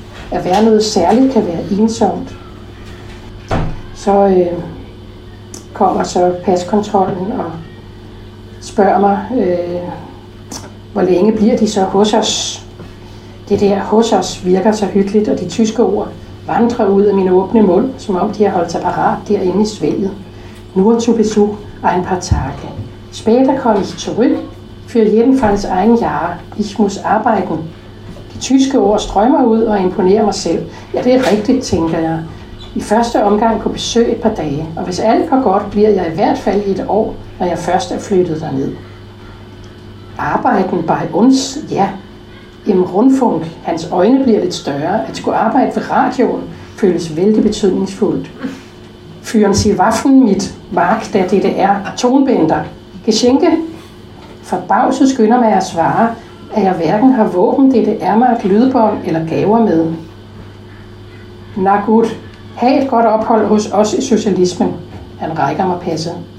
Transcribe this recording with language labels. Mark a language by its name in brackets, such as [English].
[Danish] At være noget særligt kan være ensomt. Så kommer så paskontrollen og spørger mig, hvor længe bliver de så hos os? Det der hos os virker så hyggeligt, og de tyske ord vandrer ud af min åbne mund, som om de har holdt sig parat derinde i svælget. [German] Nur zu Besuch, ein paar Tage. Später komme ich zurück, für jeden Falls ein Jahr. Ich muss arbeiten. [Danish] De tyske ord strømmer ud og imponerer mig selv. Ja, det er rigtigt, tænker jeg. I første omgang på besøg et par dage, og hvis alt går godt, bliver jeg i hvert fald et år, når jeg først er flyttet derned. [German] Arbejden bei uns, ja. Im Rundfunk, [Danish] hans øjne bliver lidt større. At skulle arbejde ved radioen føles vældig betydningsfuldt. [German] Führen Sie Waffen mit, Mark der DDR, Tonbänder. Geschenke? [Danish] Forbavset skynder mig at svare, at jeg hverken har våben, DDR-mark, lydbånd eller gaver med. [German] Na gut, [Danish] ha' et godt ophold hos os i socialismen. Han rækker mig passet.